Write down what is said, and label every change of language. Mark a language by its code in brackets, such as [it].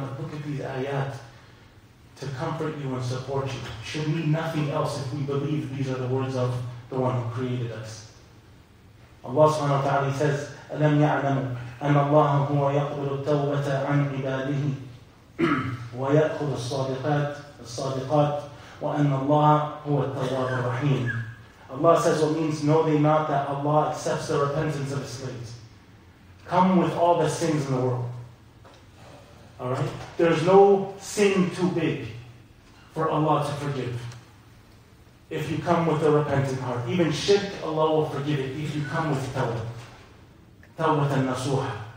[en] But look at these ayat to comfort you and support you. Should mean nothing else if we believe these are the words of the one who created us. Allah subhanahu wa ta'ala says, [ar] أَلَمْ يَعْلَمُوا أَنَّ اللَّهَ هُوَ يَقْبِلُ التَّوْبَةَ عَنْ عِبَادِهِ وَيَأْخُذُ الصَّادِقَاتِ وَأَنَّ اللَّهَ هُوَ التَّوَّابُ الرَّحِيمُ. [en] Allah says, what means, know they not that Allah accepts the repentance of His slaves. come with all the sins in the world. Alright? There's no sin too big for Allah to forgive. If you come with a repentant heart. Even shirk, Allah will forgive it if you come with tawbah. Tawbah al-nasuha.